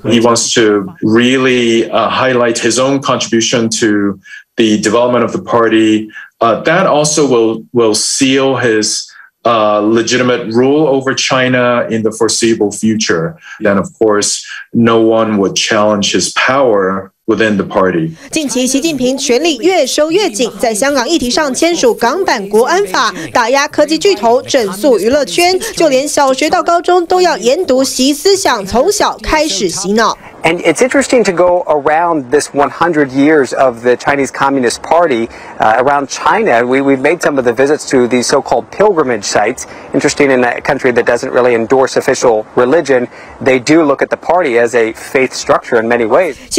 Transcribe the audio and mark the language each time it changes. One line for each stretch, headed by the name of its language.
English: He wants to really highlight his own contribution to the development of the party. That also will seal his. Legitimate rule over China in the foreseeable future, then of course no one would challenge his power within the party.
Chinese: 近期，习近平权力越收越紧，在香港议题上签署港版国安法，打压科技巨头，整肃娱乐圈，就连小学到高中都要研读习思想，从小开始洗脑。
English: And it's interesting to go around this 100 years of the Chinese Communist Party around China. We've made some of the visits to these so-called pilgrimage sites. Interesting, in a country that doesn't really endorse official religion, they do look at the party as a faith structure in many ways.